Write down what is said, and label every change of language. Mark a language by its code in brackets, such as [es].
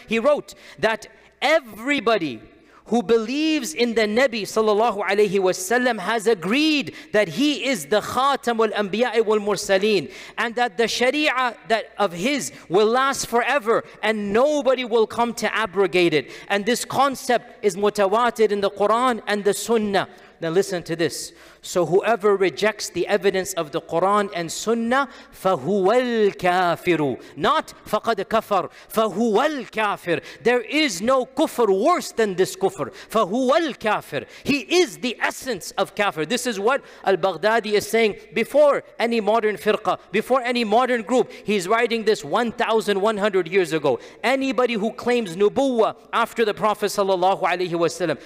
[en] He wrote that everybody who believes in the Nabi sallallahu alayhi wasallam has agreed that he is the Khatamul Anbiya'i wal Mursaleen, and that the Sharia that of his will last forever and nobody will come to abrogate it. And this concept is mutawatir in the Quran and the Sunnah. Now listen to this. So whoever rejects the evidence of the Quran and Sunnah, [ar] فَهُوَ الْكَافِرُ. [en] Not [ar] فَقَدْ كَفَرْ, فَهُوَ الْكَافِرُ. [en] There is no kufr worse than this kufr. [ar] فَهُوَ الْكَافِرُ. [en] He is the essence of kafir. This is what al-Baghdadi is saying before any modern firqa, before any modern group. He's writing this 1,100 years ago. Anybody who claims nubuwa after the Prophet sallallahu alaihi wasallam.